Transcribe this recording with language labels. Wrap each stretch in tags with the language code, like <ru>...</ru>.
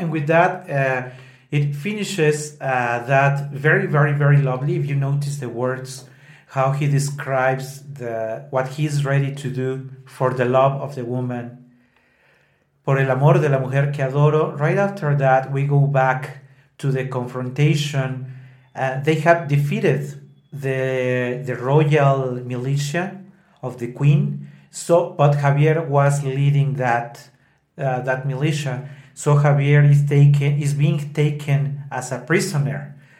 <en>And with that, it finishes that very, very, very lovely. If you notice the words, how he describes what he's ready to do for the love of the woman.</en> <es>Por el amor de la mujer que adoro.</es> <en>Right after that, we go back to the confrontation. They have defeated the royal militia of the queen. But Javier was leading that militia. So Javier is being taken as a prisoner.</en>